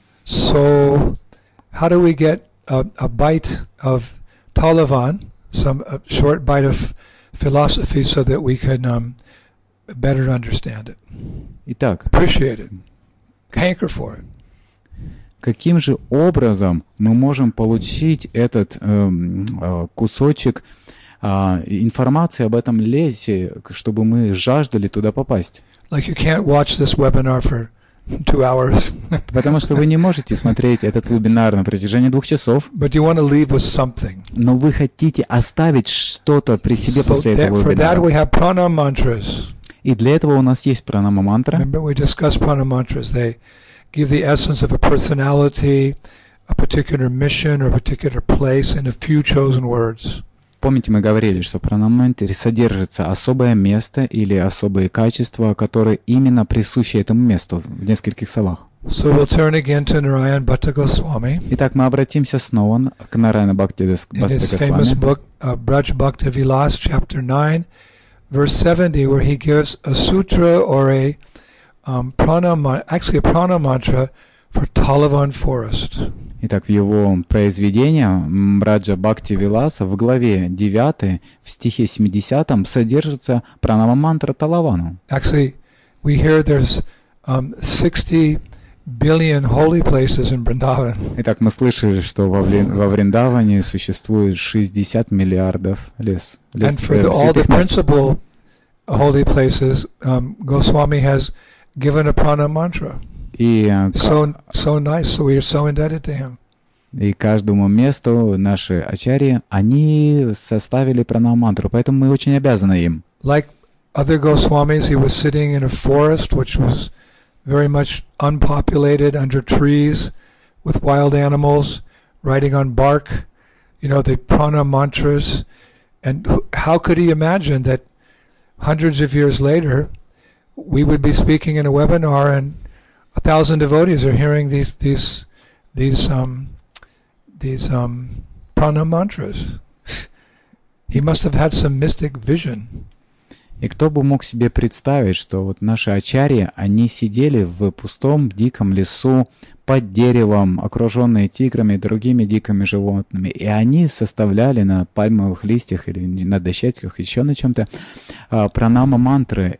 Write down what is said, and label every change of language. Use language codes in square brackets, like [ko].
[en] So, how do we get a bite of Talavan, a short bite of philosophy, so that we can better understand it? [ru] Итак, [en] appreciate it, hanker for it. [ru] Каким же образом мы можем получить этот кусочек информации об этом лесе, чтобы мы жаждали туда попасть? [en] Like you can't watch this webinar for 2 hours. [ru] Потому что вы не можете смотреть этот вебинар на протяжении 2 часов. [en] But you want to leave with something. [ru] Но вы хотите оставить что-то при себе после этого вебинара. [en] For that we have prana mantras. [ru] И для этого у нас есть пранама мантра. [en] Remember we discussed prana mantras. They give the essence of a personality, a particular mission or a particular place in a few chosen words. [ru] Помните, мы говорили, что пранаманты содержится особое место или особые качества, которые именно присущи этому месту в нескольких словах. [en] So we'll turn again to Narayana Bhatta Goswami. [ru] Итак, мы обратимся снова к Нараяна Бхакти Бхатта Госвами. [en] In his famous book, Braj Bhakti Vilas, chapter 9, verse 70, where he gives a sutra or a a prana mantra for Talavan forest. [ru] Итак, в его произведении Браджа Бхакти Виласа в главе 9, в стихе 70, содержится пранама мантра Талавану. [en] Actually, we hear there's 60 billion holy places in Vrindavan. [ru] Итак, мы слышали, что во Вриндаване существует 60 миллиардов лес. [en] And for all the principal holy places, Goswami has given a prana mantra. So nice, so we are so indebted to him. [ru] И каждому месту наши ачарьи, они составили пранама мантру, поэтому мы очень обязаны им. [en] Like other Goswamis, he was sitting in a forest which was very much unpopulated under trees with wild animals riding on bark, you know, the prana mantras. And how could he imagine that hundreds of years later we would be speaking in a webinar and 1,000 devotees are hearing these prana mantras. He must have had some mystic vision. [ru] И кто бы мог себе представить, что вот наши ачарьи, они сидели в пустом диком лесу под деревом, окруженные тиграми и другими дикими животными, и они составляли на пальмовых листьях или на дощечках, еще на чем-то, пранама-мантры.